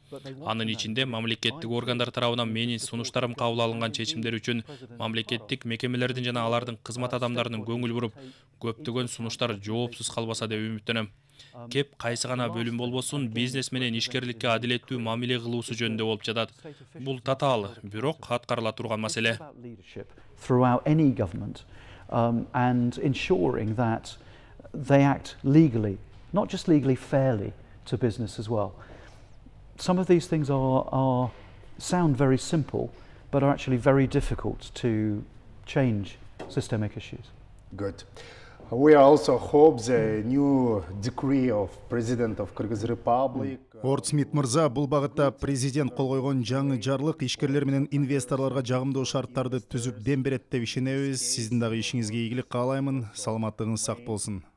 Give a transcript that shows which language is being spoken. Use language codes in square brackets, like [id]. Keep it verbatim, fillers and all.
[ky] Анын ичинде мамлекеттик органдар тарабынан менин сунуштарым кабыл алынган чечимдер үчүн мамлекеттик мекемелердин жана алардын кызмат адамдарынын көңүл буруп, көптөгөн сунуштар жоопсуз калбаса деп үмүттөнөм. Кеп кайсы гана бөлүм болбосун, бизнес менен ишкерликке адилеттүү мамиле кылуусу жөнүндө болуп жатат. Бул татаал, бирок аткарыла турган маселе. [en] Throughout any government um, and ensuring that they act legally, not just legally, fairly to business as well. some of these things are, are sound very simple, but are actually very difficult to change systemic issues. Good. We also hope the new decree of President of Kyrgyz Republic. [ky] Ортсмит мырза бул багытта президент кол койгон жаңы жарлык ишкерлер менен инвесторлорго жагымдуу шарттарды түзүп дем берет деп ишенебиз. Сиздин дагы ишиңизге ийгилик каалаймын. Саламаттыгыңыз сак болсун.